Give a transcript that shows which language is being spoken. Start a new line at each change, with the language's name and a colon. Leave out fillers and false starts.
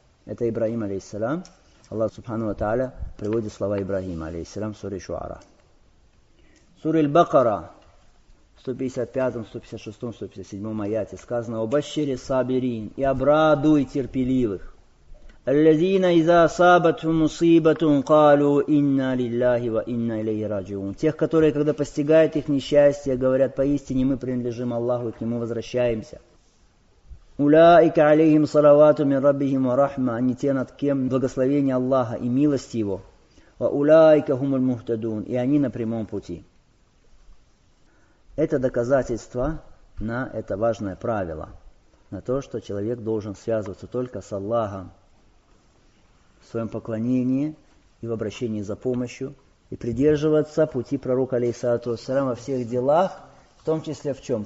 Russian: Это Ибрахим алейхиссалам. Аллах субхану ва тааля приводит слова Ибрахима алейхиссалам в суре Шуара. Сура Аль-Бакара, 155, 156, 157 аяте сказано:
Arabic: وبشري صابرين,
Russian: и обрадуй терпеливых.
Arabic: الذين إذا أصابتهم مصيبة قالوا إنا لله وإنا إليه راجعون.
Russian: Тех, которые, когда постигает их несчастье, говорят: поистине мы принадлежим Аллаху и к Нему возвращаемся.
Arabic: أولئك عليهم صلوات من ربهم ورحمة.
Russian: Они те, над кем благословение Аллаха и милость Его.
Arabic: وأولئك هم المهتدون.
Russian: И они на прямом пути. Это доказательство на это важное правило, на то, что человек должен связываться только с Аллахом в своем поклонении и в обращении за помощью, и придерживаться пути пророка, алейхиссалату вассалям, во всех делах, в том числе в чем?